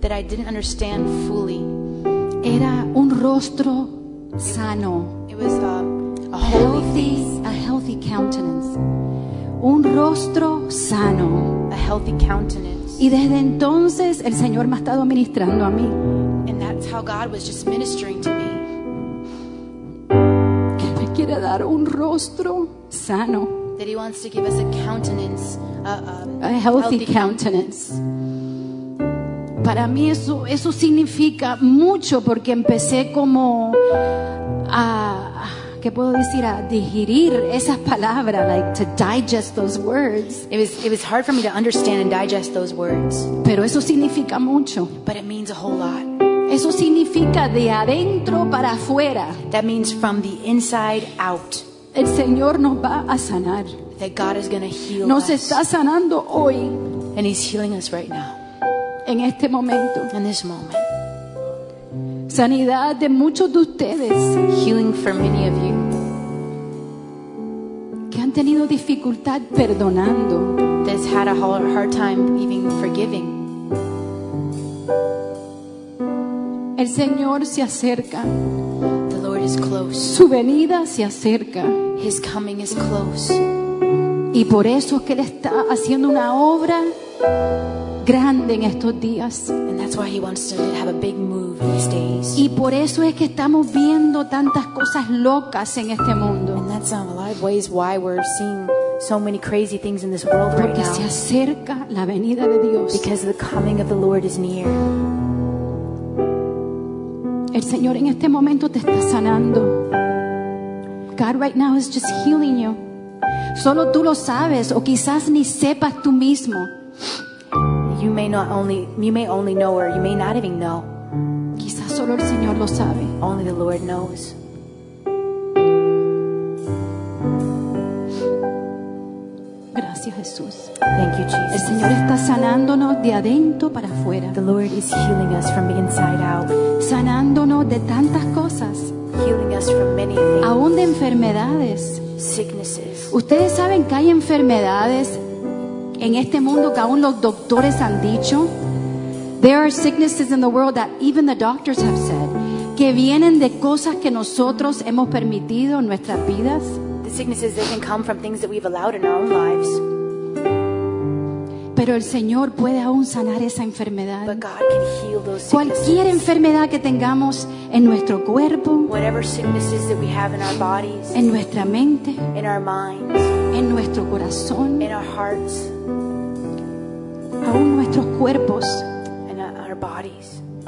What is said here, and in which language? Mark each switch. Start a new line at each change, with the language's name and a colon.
English: That I didn't understand fully.
Spanish: Era un rostro sano.
English: It was a healthy, a healthy countenance.
Spanish: Un rostro sano.
English: A healthy countenance.
Spanish: Y desde entonces el Señor me ha estado ministrando a mí.
English: And that's how God was just ministering to me.
Spanish: Que me quiere dar un rostro sano.
English: That he wants to give us a countenance, a healthy countenance.
Spanish: Para mí eso significa mucho porque empecé como a ¿qué puedo decir? A digerir esas palabras,
English: like to digest those words. It was hard for me to understand and digest those words.
Spanish: Pero eso significa mucho.
English: But it means a whole lot.
Spanish: Eso significa de adentro para afuera.
English: That means from the inside out.
Spanish: El Señor nos va a sanar.
English: That God is going to heal
Spanish: nos Nos está sanando hoy.
English: And he's healing us right now.
Spanish: En este momento.
English: In this moment.
Spanish: Sanidad de muchos de ustedes.
English: Healing for many of you.
Spanish: Que han tenido dificultad perdonando.
English: That's had a hard time even forgiving.
Spanish: El Señor se acerca.
English: The Lord is close.
Spanish: Su venida se acerca.
English: His coming is close.
Spanish: Y por eso es que Él está haciendo una obra grande en estos días.
English: And that's why he wants to have a big move in these days.
Spanish: Y por eso es que estamos viendo tantas cosas locas en este mundo.
English: And that's a lot of ways why we're seeing so many crazy things in this world
Spanish: Porque
English: right now.
Spanish: Porque se acerca la venida de Dios.
English: Because the coming of the Lord is near.
Spanish: El Señor en este momento te está sanando.
English: God right now is just healing you.
Spanish: Solo tú lo sabes o quizás ni sepas tú mismo.
English: You may only know, or you may not even know.
Spanish: Quizás solo el Señor lo sabe.
English: Only the Lord knows.
Spanish: Gracias, Jesús.
English: Thank you, Jesus.
Spanish: El Señor está sanándonos de adentro para afuera.
English: The Lord is healing us from the inside out.
Spanish: Sanándonos de tantas cosas.
English: Healing us from many things.
Spanish: Aún de enfermedades.
English: Sicknesses.
Spanish: Ustedes saben que hay enfermedades en este mundo que aún los doctores han dicho.
English: There are sicknesses in the world that even the doctors have said,
Spanish: que vienen de cosas que nosotros hemos permitido en nuestras vidas.
English: The sicknesses, they can come from things that we've allowed in our own lives.
Spanish: Pero el Señor puede aún sanar esa enfermedad.
English: But God can heal those sicknesses.
Spanish: Cualquier enfermedad que tengamos en nuestro cuerpo,
English: whatever sicknesses that we have in our bodies,
Spanish: en nuestra mente,
English: in our minds,
Spanish: en nuestro corazón,
English: in our hearts,
Spanish: aún nuestros cuerpos,
English: in our bodies,